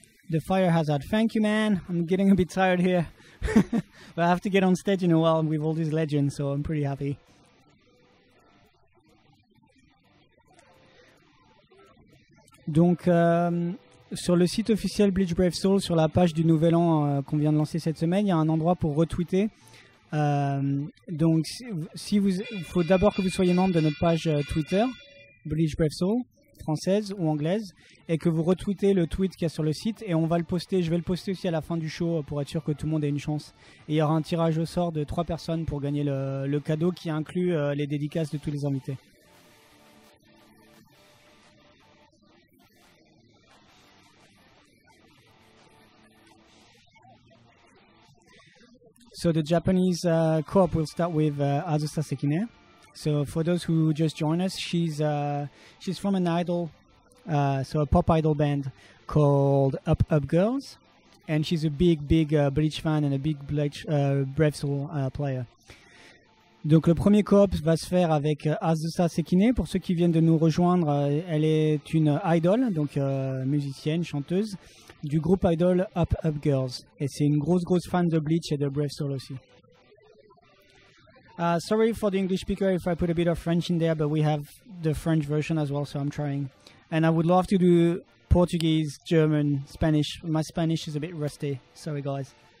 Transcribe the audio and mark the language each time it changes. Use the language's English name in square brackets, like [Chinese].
[English] The fire hazard. Thank you, man. I'm getting a bit tired here. But I have to get on stage in a while with all these legends, so I'm pretty happy. [French] Donc, sur le site officiel Bleach Brave Soul, sur la page du Nouvel An qu'on vient de lancer cette semaine, il y a un endroit pour retweeter. Donc, il faut d'abord que vous soyez membre de notre page Twitter, Bleach Brave Soul, française ou anglaise, et que vous retweetez le tweet qu'il y a sur le site, et on va le poster. Je vais le poster aussi à la fin du show pour être sûr que tout le monde ait une chance. Et il y aura un tirage au sort de 3 personnes pour gagner le cadeau qui inclut les dédicaces de tous les invités. [English] So the Japanese co-op will start with Azusa Sekine. So for those who just joined us, she's from an idol, so a pop idol band called Up Up Girls, and she's a big Bleach fan and a big Bleach Breath Soul player. [French] Donc le premier co-op va se faire avec Azusa Sekine. Pour ceux qui viennent de nous rejoindre, elle est une idol, donc musicienne, chanteuse, du groupe idol Up Up Girls. Et c'est une grosse grosse fan de Bleach et de Brave Soul aussi. [English] Sorry for the English speaker if I put a bit of French in there, but we have the French version as well, so I'm trying. And I would love to do Portuguese, German, Spanish. My Spanish is a bit rusty. Sorry, guys.